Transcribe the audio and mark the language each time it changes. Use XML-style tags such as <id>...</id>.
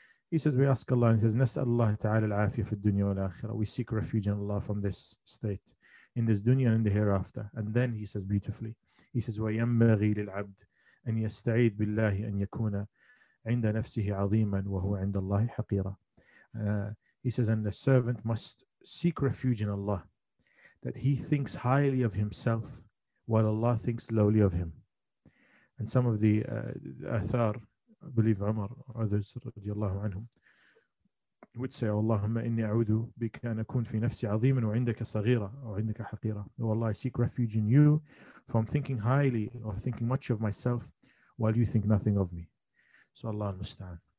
<en>He says, we ask Allah, and he says,</en> <ar>نسأل الله تعالى العافية في الدنيا والآخرة.</ar> <en>We seek refuge in Allah from this state, in this dunya and in the hereafter. And then he says beautifully, he says,</en> <ar>وينبغي للعبد أن يستعيذ بالله أن يكون عند نفسه عظيما وهو عند الله حقيرا.</ar> <en>He says, and the servant must seek refuge in Allah, that he thinks highly of himself while Allah thinks lowly of him. And some of the athar, I believe Umar, others, radiallahu anhum, would say, oh,</en> <ar>اللهم إني أعوذ بك أن أكون في نفسي عظيما وعندك صغيرة أو عندك حقيرة.</ar> <en>Oh Allah, I seek refuge in you from thinking highly or thinking much of myself while you think nothing of me. So Allah المستعان.</en>